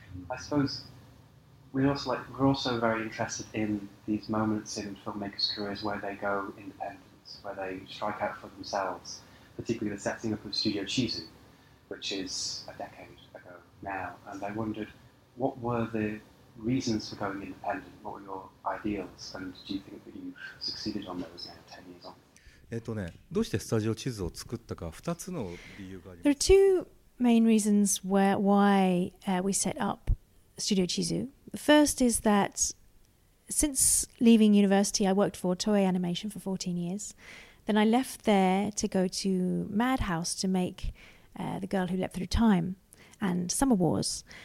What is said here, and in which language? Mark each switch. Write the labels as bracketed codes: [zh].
[en] I suppose we're also very interested in these moments in filmmakers' careers where they go independent, where they strike out for themselves, particularly the setting up of Studio Chizu, which is a decade ago now. And I wondered, what were the reasons for going independent? What were your ideals? And do you think that you've succeeded on those now, 10 years on? [ja] どうしてスタジオ地図を作ったか、2つの理由があります。 [en] There are two main reasons why we set up Studio Chizu. The first is that since leaving university, I worked for Toei Animation for 14 years. then I left there to go to Madhouse to make The Girl Who Leapt Through Time and Summer Wars.